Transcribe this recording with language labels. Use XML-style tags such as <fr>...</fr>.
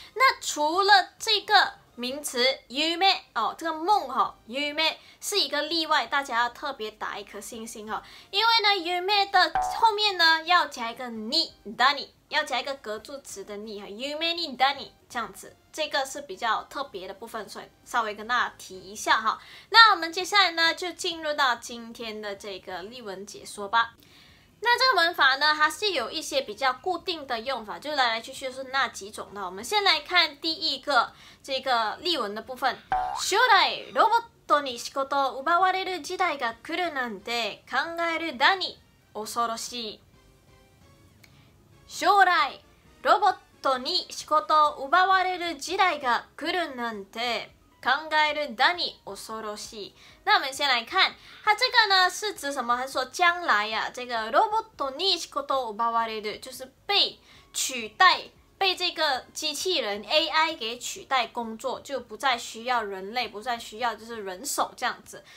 <zh>那除了这个名词 夢、哦、这个梦、哦、夢是一个例外，大家要特别打一颗星星、哦、因为呢 夢 的后面呢要加一个に、だに，要加一个格助词的に、哦、</zh> <ja>夢にだに</ja> <zh>这样子，这个是比较特别的部分，所以稍微跟大家提一下、哦、那我们接下来呢就进入到今天的这个例文解说吧。那这个文法呢，它是有一些比较固定的用法，就来来去去是那几种的。我们先来看第一个这个例文的部分。</zh> <ja>将来ロボットに仕事を奪われる時代が来るなんて考えるだに恐ろしい。将来ロボットに仕事を奪われる時代が来るなんて考えるだに恐ろしい。</ja> <zh>那我们先来看它这个呢是指什么，它说将来啊，这个</zh> <ja>ロボットに仕事を奪われる</ja> <zh>就是被取代，被这个机器人 AI 给取代工作，就不再需要人类，不再需要就是人手这样子。</zh>